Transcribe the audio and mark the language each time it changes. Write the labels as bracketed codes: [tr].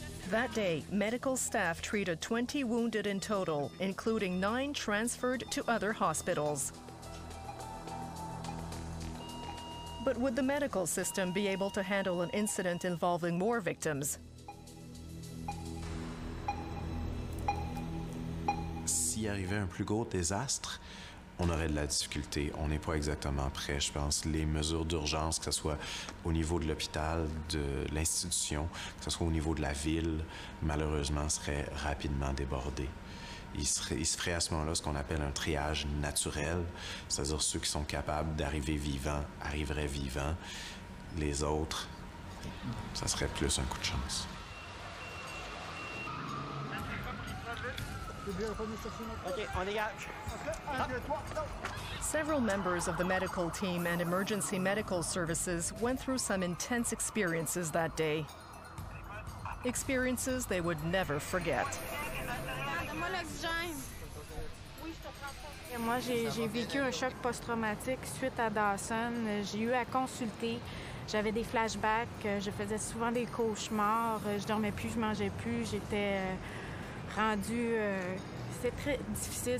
[en] That day, medical staff treated 20 wounded in total, including 9 transferred to other hospitals. But would the medical system be able to handle an incident involving more victims? [fr] S'il arrivait un plus gros désastre, on aurait de la difficulté. On n'est pas exactement prêt, je pense. Les mesures d'urgence, que ce soit au niveau de l'hôpital, de l'institution, que ce soit au niveau de la ville, malheureusement, seraient rapidement débordées. Il se ferait à ce moment-là ce qu'on appelle un triage naturel, c'est-à-dire ceux qui sont capables d'arriver vivants arriveraient vivants. Les autres, ça serait plus un coup de chance. [en] Several members of the medical team and emergency medical services went through some intense experiences that day. Experiences they would never forget. [fr] Donnez-moi l'oxygène. Et moi, j'ai vécu un choc post-traumatique suite à Dawson. J'ai eu à consulter. J'avais des flashbacks. Je faisais souvent des cauchemars. Je dormais plus, je mangeais plus. J'étais rendue... C'est très difficile.